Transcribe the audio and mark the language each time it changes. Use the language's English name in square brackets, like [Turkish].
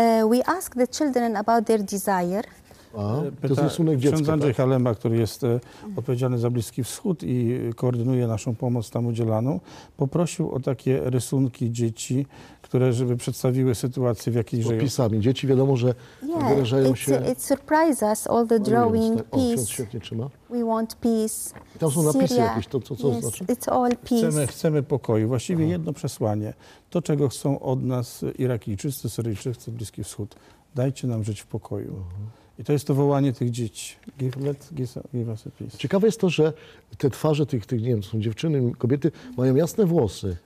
[English] We ask the children about their desire. [Polish] To jest rysunek dziecka. Ksiądz Andrzej Halemba, który jest odpowiedzialny za Bliski Wschód i koordynuje naszą pomoc tam udzielaną, poprosił o takie rysunki dzieci, które żeby przedstawiły sytuację, w jakiej żyją. Z opisami. Dzieci wiadomo, że wyrażają się. [English] It surprises us all the drawing peace. We want peace. [Polish] Tam są napisy jakieś, to co [English] yes, [Polish] znaczy? [English] It's all peace. [Polish] Chcemy pokoju. Właściwie jedno przesłanie. To, czego chcą od nas Irakijczycy, Syryjczycy, Bliski Wschód. Dajcie nam żyć w pokoju. I to jest to wołanie tych dzieci. [English] Give us a peace. [Polish] Ciekawe jest to, że te twarze tych nie wiem, są dziewczyny, kobiety, mają jasne włosy.